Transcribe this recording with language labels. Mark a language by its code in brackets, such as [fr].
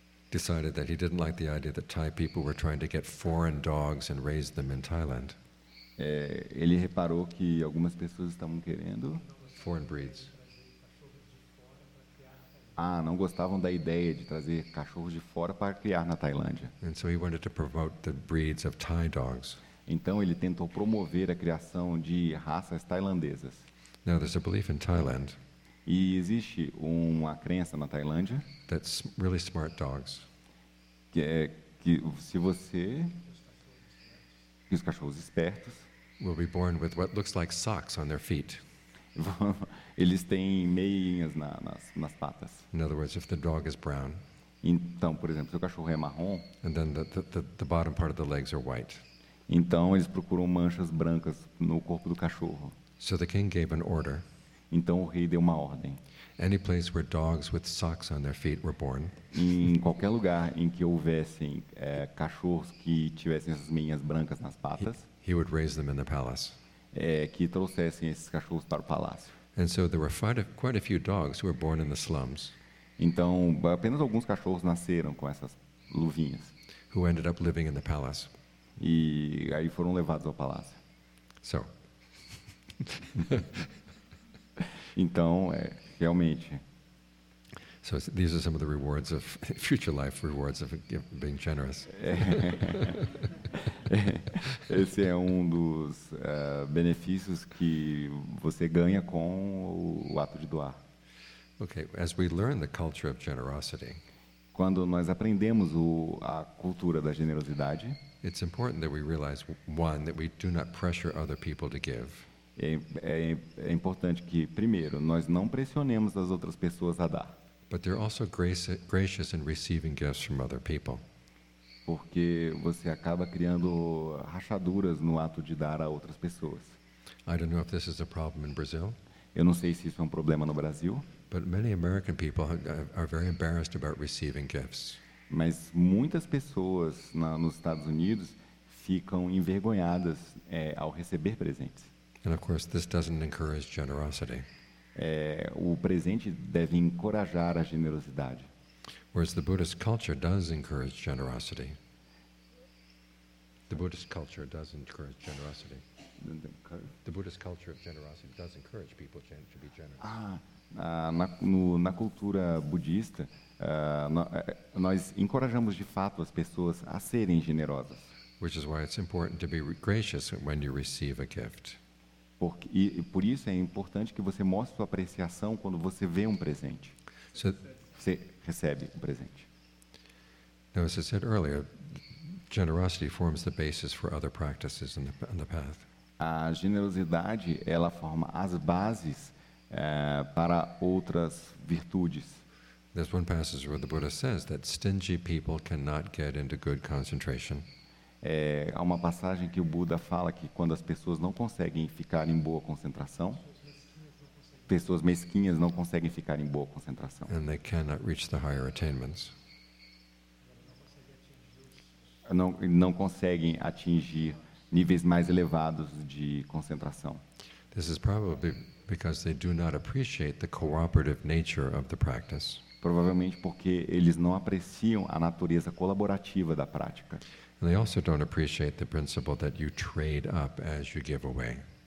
[en] Decided that he didn't like the idea that Thai people were trying to get foreign dogs and raise them in Thailand. [pt] Ele reparou que algumas pessoas estavam querendo... [en] Foreign breeds. [pt] Ah, não gostavam da ideia de trazer cachorros de fora para criar na Tailândia. [en] And so he wanted to promote the breeds of Thai dogs. [pt] Então ele tentou promover a criação de raças tailandesas. [en] Now, there's a belief in Thailand. [pt] E existe uma crença na Tailândia. [en] That's really smart dogs. [pt] Que se você... Que os cachorros espertos... [en] Will be born with what looks like socks on their feet. [pt] Eles têm meias nas patas. [en] In other words, if the dog is brown. [pt] Então, por exemplo, se o cachorro é marrom. [en] And then the bottom part of the legs are white. [pt] Então eles procuram manchas brancas no corpo do cachorro. [en] So the king gave an order. [pt] Então o rei deu uma ordem. [en] Any place where dogs with socks on their feet were born. [pt] Em qualquer lugar em que houvessem cachorros que tivessem essas meias brancas nas patas. [en] He would raise them in the palace. [pt] Que trouxessem esses cachorros para o palácio. [en] And so there were quite a few dogs who were born in the slums. [pt] Então, apenas alguns cachorros nasceram com essas luvinhas. [en] Who ended up living in the palace. [pt] E aí foram levados ao palácio. [en] So. [pt] Então, realmente. [en] So these are some of the rewards of future life, rewards of being generous. [pt] Esse é um dos benefícios que você ganha com o ato de doar. [en] Okay, as we learn the culture of generosity. [pt] Quando nós aprendemos a cultura da generosidade, [en] it's important that we realize one that we do not pressure other people to give. [pt] É importante que primeiro nós não pressionemos as outras pessoas a dar. [en] But they're also gracious in receiving gifts from other people. [pt] Porque você acaba criando rachaduras no ato de dar a outras pessoas. [en] I don't know if this is a problem in Brazil. [pt] Eu não sei se isso é um problema no Brasil. [en] But many American people are very embarrassed about receiving gifts. [pt] Mas muitas pessoas nos Estados Unidos ficam envergonhadas ao receber presentes. [en] And of course, this doesn't encourage generosity. [pt] O presente deve encorajar a generosidade. [en] Whereas the Buddhist culture does encourage generosity. The Buddhist culture does encourage generosity. The Buddhist culture of generosity does encourage people to be generous. [pt] Na cultura budista, nós encorajamos de fato as pessoas a serem generosas. [en] Which is why it's important to be gracious when you receive a gift. [pt] Por isso é importante que você mostre sua apreciação quando você vê um presente. [en] So, [pt] você recebe um presente. [en] Now, as I said earlier, generosity forms the basis for other practices on the path. [pt] A generosidade, ela forma as bases para outras virtudes. [en] There's one passage where the Buddha says that stingy people cannot get into good concentration. [pt] Há uma passagem que o Buda fala que quando as pessoas não conseguem ficar em boa concentração, pessoas mesquinhas não conseguem ficar em boa concentração. [en] And they cannot reach the higher attainments. [pt] Não conseguem atingir níveis mais elevados de concentração. [en] This is probably because they do not appreciate the cooperative nature of the practice. [pt] Provavelmente porque eles não apreciam a natureza colaborativa da prática. [en] And they also don't appreciate the principle that you trade up as you give away.